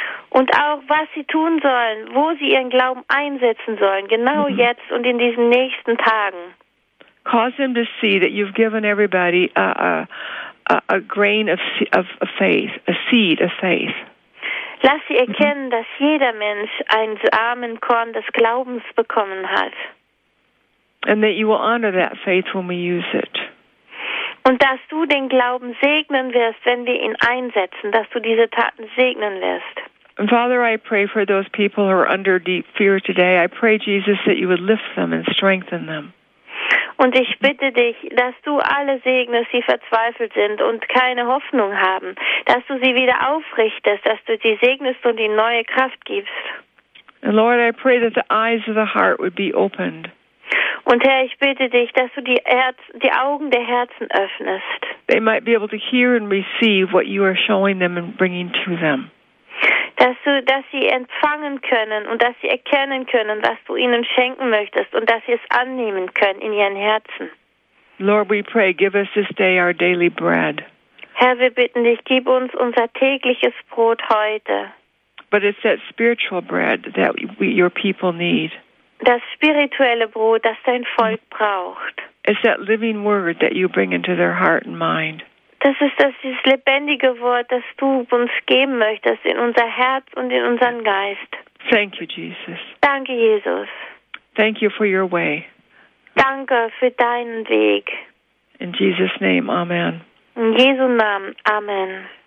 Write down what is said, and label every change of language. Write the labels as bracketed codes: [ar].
[de] Und auch, was sie tun sollen, wo sie ihren Glauben einsetzen sollen, genau jetzt und in diesen nächsten Tagen. [en] Cause them to see that you've given everybody a grain of faith, a seed of faith. [de] Lass sie erkennen, dass jeder Mensch ein Samenkorn des Glaubens bekommen hat. [en] And that you will honor that faith when we use it. [de] Und dass du den Glauben segnen wirst, wenn wir ihn einsetzen, dass du diese Taten segnen wirst. [en] And Father, I pray for those people who are under deep fear today. I pray, Jesus, that you would lift them and strengthen them. [de] Und ich bitte dich, dass du alle segnest, die verzweifelt sind und keine Hoffnung haben, dass du sie wieder aufrichtest, dass du sie segnest und ihnen neue Kraft gibst. [en] And Lord, I pray that the eyes of the heart would be opened. [de] Und Herr, ich bitte dich, dass du die Augen der Herzen öffnest. [en] They might be able to hear and receive what you are showing them and bringing to them. [de] Dass sie empfangen können und dass sie erkennen können, was du ihnen schenken möchtest und dass sie es annehmen können in ihren Herzen. [en] Lord, we pray, give us this day our daily bread. [de] Herr, wir bitten dich, gib uns unser tägliches Brot heute. [en] But it's that spiritual bread that your people need. [de] Das spirituelle Brot, das dein Volk braucht. [en] It's that living word that you bring into their heart and mind. [de] Das ist das lebendige Wort, das du uns geben möchtest in unser Herz und in unseren Geist. [en] Thank you, Jesus. [de] Danke, Jesus. [en] Thank you for your way. [de] Danke für deinen Weg. [en] In Jesus' name, Amen. [de] In Jesu Namen, Amen.